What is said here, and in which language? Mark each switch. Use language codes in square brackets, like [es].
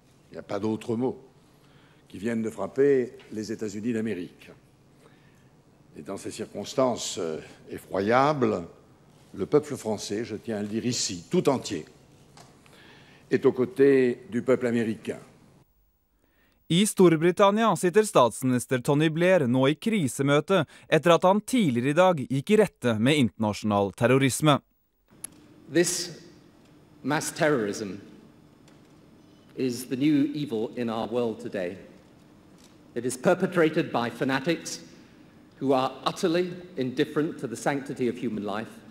[fr] Il n'y a pas d'autre mot qui viennent de frapper les États-Unis d'Amérique. Et dans ces circonstances effroyables, le peuple français, je tiens à le dire ici, tout entier, est aux côtés du peuple américain. [no] I Storbritannia sitter statsminister Tony Blair nå i krisemøte etter at han tidligere i dag gikk i rette med internasjonal terrorisme. [en] This mass terrorism is the new evil in our world today. It is perpetrated by fanatics who are utterly indifferent to the sanctity of human life.